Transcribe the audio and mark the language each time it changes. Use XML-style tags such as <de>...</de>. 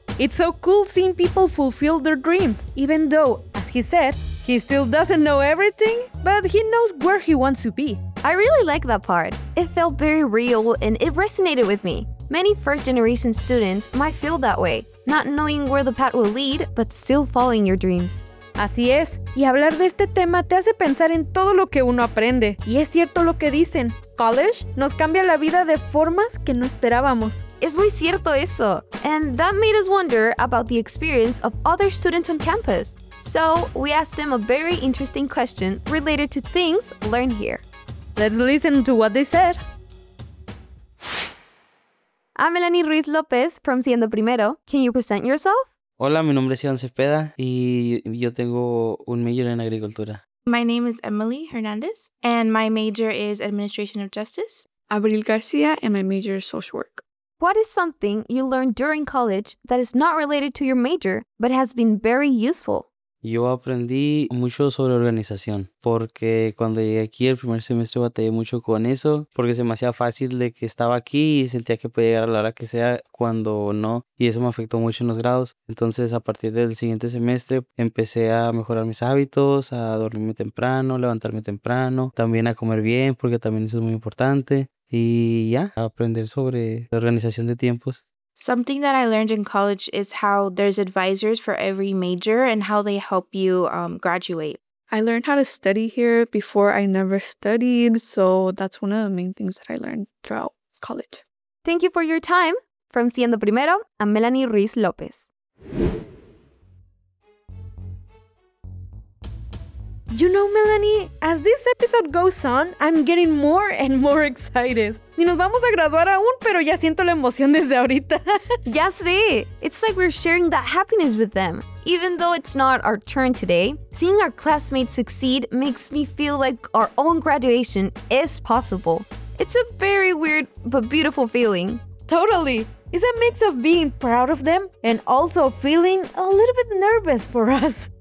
<en>It's so cool seeing people fulfill their dreams, even though, as he said, he still doesn't know everything, but he knows where he wants to be. I really like that part. It felt very real, and it resonated with me. Many first-generation students might feel that way, not knowing where the path will lead, but still following your dreams.</en> <es>Así es, y hablar de este tema te hace pensar en todo lo que uno aprende. Y es cierto lo que dicen, college nos cambia la vida de formas que no esperábamos. Es muy cierto eso.</es> <en>And that made us wonder about the experience of other students on campus. So, we asked them a very interesting question related to things learned here. Let's listen to what they said. I'm Melanie Ruiz López from Siendo Primero. Can you present yourself?</en> <es>Hola, mi nombre es Iván Cepeda y yo tengo un major en agricultura.</es> <en>My name is Emily Hernandez and my major is Administration of Justice. Abril García and my major is Social Work. What is something you learned during college that is not related to your major but has been very useful?</en> <es>Yo aprendí mucho sobre organización porque cuando llegué aquí el primer semestre batallé mucho con eso porque se me hacía fácil de que estaba aquí y sentía que podía llegar a la hora que sea cuando no y eso me afectó mucho en los grados. Entonces a partir del siguiente semestre empecé a mejorar mis hábitos, a dormirme temprano, levantarme temprano, también a comer bien porque también eso es muy importante y ya, aprender sobre la organización de tiempos.</es> <en>Something that I learned in college is how there's advisors for every major and how they help you graduate. I learned how to study here before I never studied, so that's one of the main things that I learned throughout college. Thank you for your time. From Siendo Primero, I'm Melanie Ruiz López. You know, Melanie, as this episode goes on, I'm getting more and more excited.</en> <es>Ni nos vamos a graduar aún, pero ya siento la emoción desde ahorita. Ya sé.</es> <en>It's like we're sharing that happiness with them. Even though it's not our turn today, seeing our classmates succeed makes me feel like our own graduation is possible. It's a very weird but beautiful feeling. Totally. It's a mix of being proud of them and also feeling a little bit nervous for us.</en>